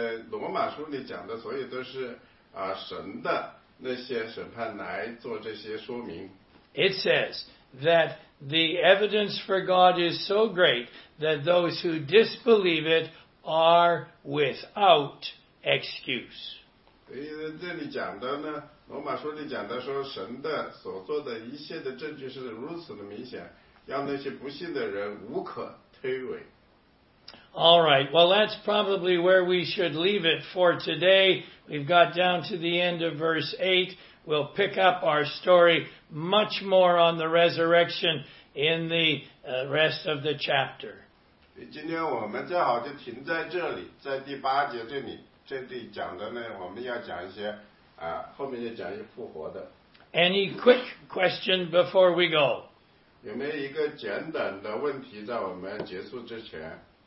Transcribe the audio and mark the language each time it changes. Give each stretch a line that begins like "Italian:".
Chinese: 罗马书里讲的，所以都是啊神的那些审判来做这些说明。
English: It says. That the evidence for God is so great that those who disbelieve it are without excuse.
Chinese: 这里讲的呢，罗马书里讲的说，神的所做的一切的证据是如此的明显，让那些不信的人无可推诿。
English: All right, well, that's probably where we should leave it for today. We've got down to the end of verse 8. We'll pick up our story much more on the resurrection in the rest of the chapter.
Chinese: 今天我们最好就停在这里，在第八节这里，这里讲的呢，我们要讲一些啊，后面就讲一些复活的。
English: Any quick question before we go?
Chinese: 有没有一个简短的问题在我们结束之前？